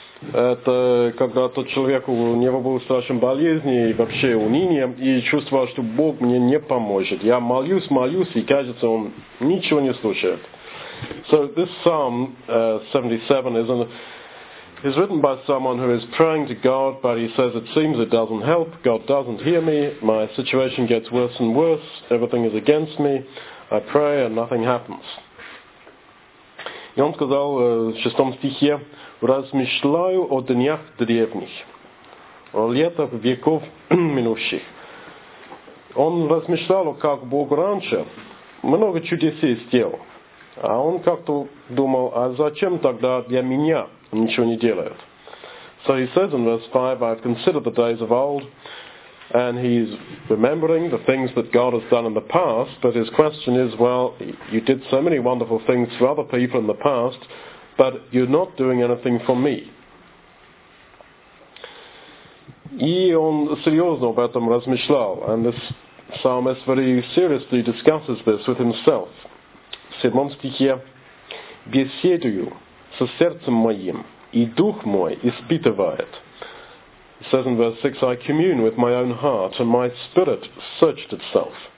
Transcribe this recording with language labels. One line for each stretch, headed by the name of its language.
Russian: Это когда тот человек, у него был страшен болезни и вообще уныние, и чувствовал, что Бог мне не поможет. Я молюсь, молюсь, и кажется, он ничего не слушает.
English: So this Psalm 77 is written by someone who is praying to God, but he says it seems it doesn't help. God doesn't hear me. My situation gets worse and worse. Everything is against me. I pray and nothing happens.
Russian: И он сказал в шестом стихе: «Размышляю о днях древних, о летах веков минувших». Он размышлял, как Бог раньше много чудесей сделал. А он как-то думал, а зачем тогда для меня ничего не делает?
English: So he says in verse 5, I've considered the days of old, and he's remembering the things that God has done in the past, but his question is, well, you did so many wonderful things for other people in the past, but you're not doing anything for me.
Russian: И он серьезно об этом размышлял,
English: and this psalmist very seriously discusses this with himself.
Russian: В седьмом стихе: «Беседую со сердцем моим, и дух мой испытывает».
English: He says in verse 6, I commune with my own heart, and my spirit searched itself.